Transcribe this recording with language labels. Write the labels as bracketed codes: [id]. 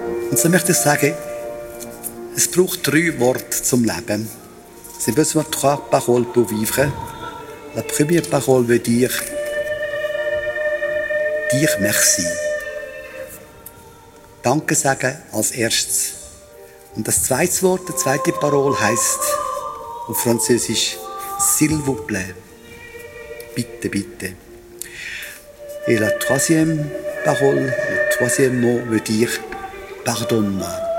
[de] Also möchte ich sagen, es braucht drei Worte zum Leben. Das [fr] C'est besoin de trois paroles pour vivre. La première parole veut dire dire merci. [de] Danke sagen als erstes. Und das zweite Wort, die zweite Parole heisst auf Französisch [fr] s'il vous plaît. [de] Bitte, bitte. [fr] Et la troisième parole, le troisième mot veut dire pardonne-moi.